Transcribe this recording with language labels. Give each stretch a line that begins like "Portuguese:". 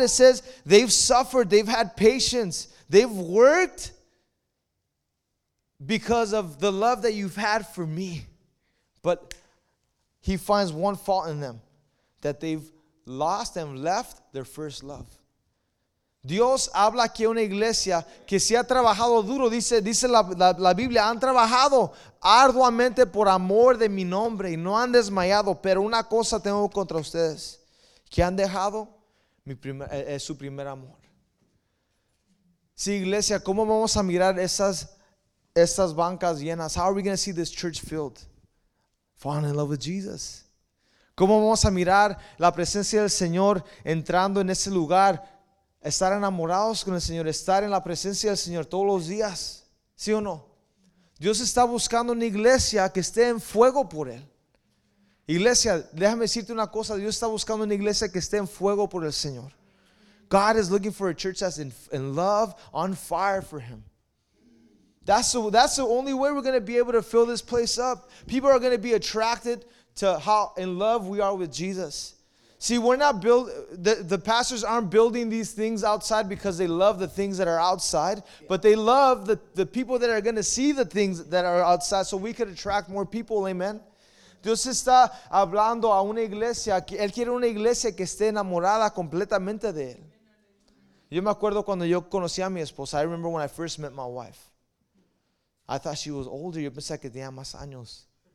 English: It says they've suffered, they've had patience, they've worked because of the love that you've had for me. But he finds one fault in them, that they've lost and left their first love.
Spanish: Dios habla aquí a una iglesia que se ha trabajado duro, dice la Biblia, han trabajado arduamente por amor de mi nombre y no han desmayado, pero una cosa tengo contra ustedes, que han dejado su primer amor. Sí, iglesia, ¿cómo vamos a mirar esas bancas llenas?
English: How are we going to see this church filled? Falling in love with Jesus.
Spanish: ¿Cómo vamos a mirar la presencia del Señor entrando en ese lugar? Estar enamorados con el Señor, estar en la presencia del Señor todos los días, ¿sí o no? Dios está buscando una iglesia que esté en fuego por Él. Iglesia, déjame decirte una cosa, Dios está buscando una iglesia que esté en fuego por el Señor.
English: God is looking for a church that's in love, on fire for Him. That's the only way we're going to be able to fill this place up. People are going to be attracted to how in love we are with Jesus. See, we're not the pastors aren't building these things outside because they love the things that are outside, but they love the people that are going to see the things that are outside so we could attract more people, amen?
Spanish: Dios está hablando a una iglesia, Él quiere una iglesia que esté enamorada completamente de Él. Yo me acuerdo cuando yo conocí a mi esposa,
English: I remember when I first met my wife. I thought she was older,
Spanish: yo pensé que tenía más años.